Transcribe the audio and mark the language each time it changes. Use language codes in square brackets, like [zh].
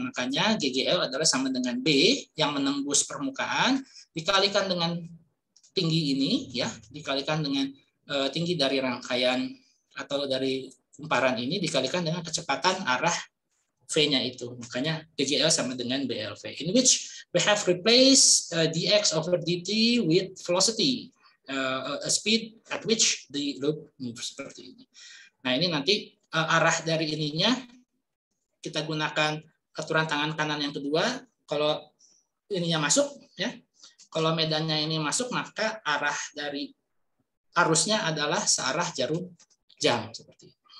[id] Makanya GGL adalah sama dengan B yang menembus permukaan dikalikan dengan tinggi ini ya, dikalikan dengan tinggi dari rangkaian atau dari kumparan ini dikalikan dengan kecepatan arah V-nya itu. Makanya GGL sama dengan BLV. [en] In which we have replaced dx over dt with velocity, a speed at which the loop moves, [id] seperti ini. Nah, ini nanti arah dari ininya kita gunakan aturan tangan kanan yang kedua. Kalau ininya masuk ya, kalau medannya ini masuk, maka arah dari arusnya adalah searah jarum jam seperti ini.